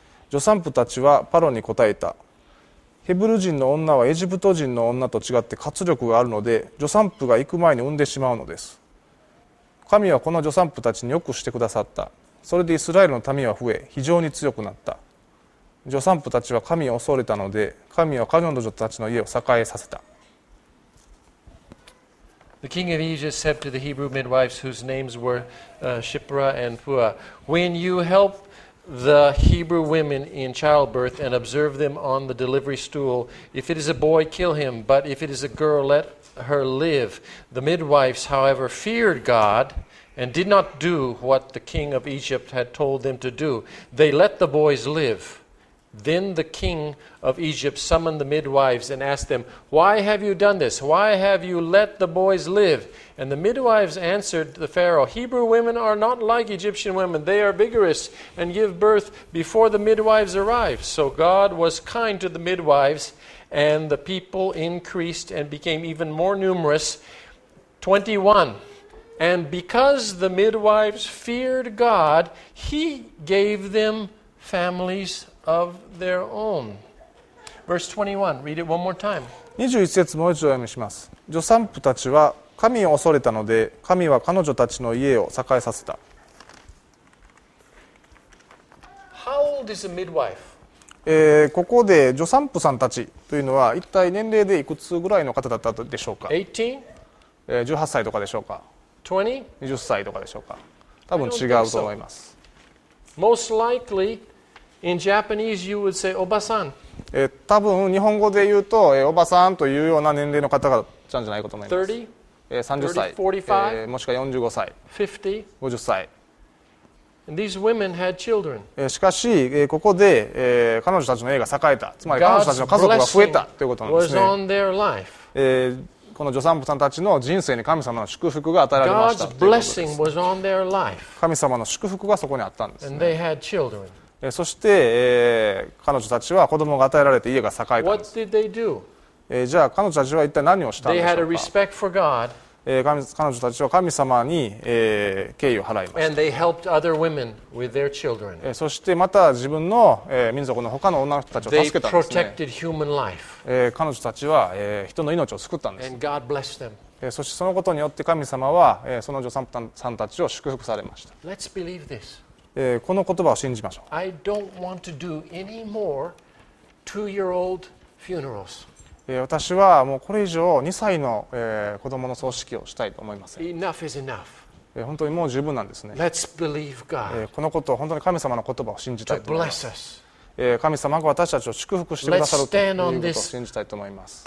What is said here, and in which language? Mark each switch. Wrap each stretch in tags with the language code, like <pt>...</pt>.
<ja>助産婦たちはパロに答えた。ヘブル人の女はエジプト人の女と違って活力があるので、助産婦が行く前に産んでしまうのです。神はこの助産婦たちによくしてくださった。それでイスラエルの民は増え、非常に強くなった。助産婦たちは神を恐れたので、神は彼女の女たちの家を栄えさせた。</ja> <en>The king of Egypt said to the Hebrew midwives whose names were Shiphrah and Puah, when you help the Hebrew women in childbirth and observe them on the delivery stool, if it is a boy, kill him, but if it is a girl, let her live. The midwives, however, feared God and did not do what the king of Egypt had told them to do. They let the boys live. Then the king of Egypt summoned the midwives and asked them, Why have you done this? Why have you let the boys live? And the midwives answered the Pharaoh, Hebrew women are not like Egyptian women. They are vigorous and give birth before the midwives arrive. So God was kind to the midwives, and the people increased and became even more numerous. 21. And because the midwives feared God, he gave them families of their own. Verse 21. Read it one more time.</en> <ja>21節もう一度読みします。助産婦たちは神を恐れたので、神は彼女たちの家を栄えさせた。</ja> <en>How old is a midwife?</en> <ja>ここで助産婦さんたちというのは一体年齢でいくつぐらいの方だったでしょうか。 18歳とかでしょうか。20歳とかでしょうか。多分違うと思います。</ja> <en>Most likely, in Japanese, you would say おばさん。</en> <ja>多分日本語で言うと、おばさんというような年齢の方がじゃないかと思います。 30歳、もしくは45歳、50歳。</ja> <en>These women had children.</en> <ja>しかしここで彼女たちの家が栄えた、つまり彼女たちの家族が増えたということなんですね。</ja> <en>God's blessing was on their life.</en> <ja>この助産婦さんたちの人生に神様の祝福が与えられました。</ja> <en>God's blessing was on their life.</en> <ja>神様の祝福がそこにあったんですね。</ja> <en>And they had children.</en> <ja>そして彼女たちは子供が与えられて家が栄えたんです。</ja> <en>What did they do?</en> <ja>じゃあ彼女たちは一体何をしたんでしょうか。</ja> <en>They had a respect for God.</en> <ja>彼女たちは神様に敬意を払いました。</ja> <en>And they helped other women with their children.</en> <ja>そしてまた自分の民族の他の女の人たちを助けたんですね。</ja> <en>They protected human life.</en> <ja>彼女たちは人の命を救ったんです。</ja> <en>And God blessed them.</en> <ja>そしてそのことによって神様はその助産婦さんたちを祝福されました。</ja> <en>Let's believe this.</en> <ja>この言葉を信じましょう。</ja> <en>I don't want to do any more two-year-old funerals.</en> <ja>私はもうこれ以上2歳の子供の葬式をしたいと思いません。</ja> <en>Enough is enough.</en> <ja>本当にもう十分なんですね。</ja> <en>Let's believe God.</en> <ja>このことを本当に神様の言葉を信じたいと思います。</ja> <en>To bless us.</en> <ja>神様が私たちを祝福してくださるということを信じたいと思います。</ja>